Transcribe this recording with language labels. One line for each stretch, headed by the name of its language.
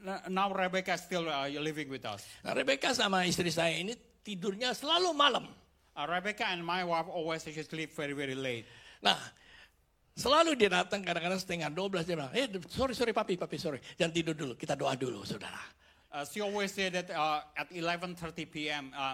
English: Now Rebecca is still living with us.
Indonesian: Nah, Rebecca sama istri saya ini tidurnya selalu malam.
English: Rebecca and my wife always sleep very, very late.
Indonesian: Nah, selalu dia datang kadang-kadang setengah 12 jam.
English: Hey, sorry,
Indonesian: papi,
English: sorry.
Indonesian: Jangan tidur dulu, kita doa dulu, saudara.
English: She always said that at 11:30 p.m.